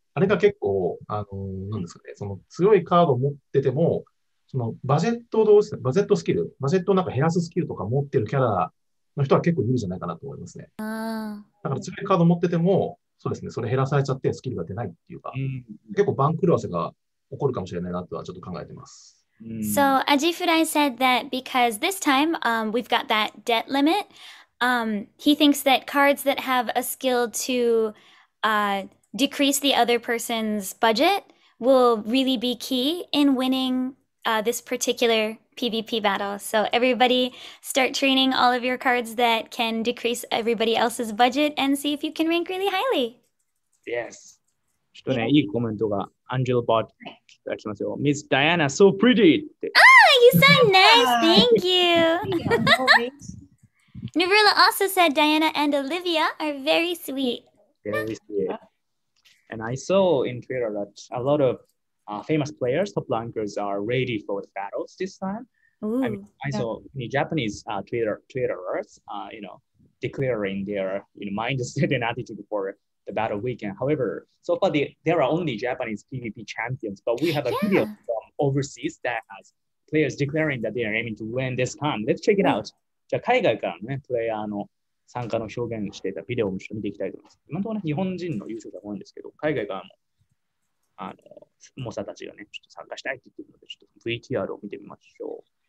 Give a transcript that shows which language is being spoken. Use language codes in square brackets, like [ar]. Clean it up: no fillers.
[ja] あれが結構、なんですかね、その強いカード持ってても、そのバジェットどうして、バジェットスキル、バジェットをなんか減らすスキルとか持ってるキャラの人は結構いるじゃないかなと思いますね。あ、だから強いカード持ってても、そうですね、それ減らされちゃってスキルが出ないっていうか、うん、結構番狂わせが起こるかもしれないなとはちょっと考えてます。 [en] So, Ajifurai said that because this time, we've got that debt limit, he thinks that cards that have a skill to, decrease the other person's budget will really be key in winning, this particular PvP battle. So everybody start training all of your cards that can decrease everybody else's budget and see if you can rank really highly. Yes. [ja] ちょっとね、いいコメントが、アンジェルバーって来ますよ。 [en] Miss Diana, so pretty! Ah, you sound nice! Thank you! Nirula also said Diana and Olivia are very sweet. Very sweet. And I saw in Twitter that a lot of famous players, top rankers, are ready for the battles this time. Ooh, I mean, I saw many Japanese Twitterers, you know, declaring their, you know, mindset and attitude for the battle weekend. However, so far there are only Japanese PvP champions, but we have a video from overseas that has players declaring that they are aiming to win this time. Let's check it out. [ja] じゃあ海外からね、プレイヤーの参加の表現していたビデオを見ていきたいと思います。今のところね、日本人の優勝者が多いんですけど、海外からも、モサたちがね、ちょっと参加したいって言ってるので、ちょっと VTR を見てみましょう。